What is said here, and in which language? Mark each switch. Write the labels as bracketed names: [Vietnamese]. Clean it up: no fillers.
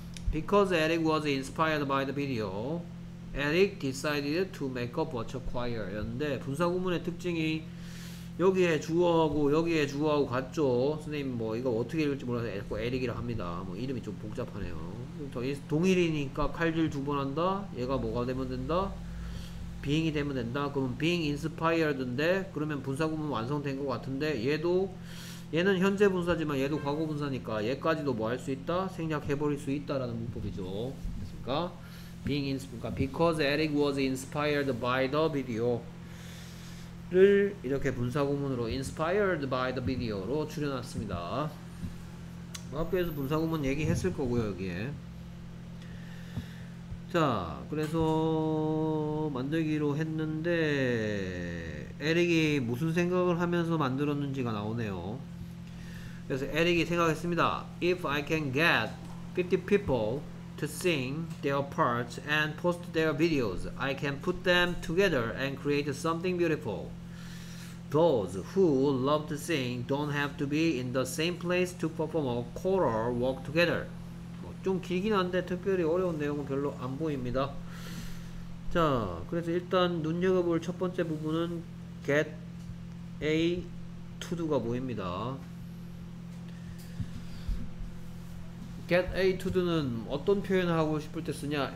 [English] Because Eric was inspired by the video, Eric decided to make a virtual choir. [Korean] 였는데 분사구문의 특징이 여기에 주어하고 여기에 주어하고 같죠. 선생님 뭐 이거 어떻게 읽을지 몰라서 에릭이라 합니다. 뭐 이름이 좀 복잡하네요. 동일이니까 칼질 두 번 한다. 얘가 뭐가 되면 된다? being이 되면 된다. 그럼 being inspired인데 그러면 분사구문 완성된 것 같은데 얘는 현재 분사지만 얘도 과거 분사니까 얘까지도 뭐 할 수 있다? 생략해버릴 수 있다라는 문법이죠. 됐습니까? being inspired, 그러니까 [English] because Eric was inspired by the video [Korean] 를 이렇게 분사구문으로 [English] inspired by the video [Korean] 로 줄여놨습니다. 학교에서 분사구문 얘기했을 거고요. 여기에 자, 그래서 만들기로 했는데 에릭이 무슨 생각을 하면서 만들었는지가 나오네요. 그래서 에릭이 생각했습니다. [English] If I can get 50 people to sing their parts and post their videos, I can put them together and create something beautiful. Those who love to sing don't have to be in the same place to perform a choral work together. [Korean] 좀 길긴 한데 특별히 어려운 내용은 별로 안 보입니다. 자, 그래서 일단 눈여겨볼 첫 번째 부분은 get a to do가 보입니다. get a to do는 어떤 표현을 하고 싶을 때 쓰냐?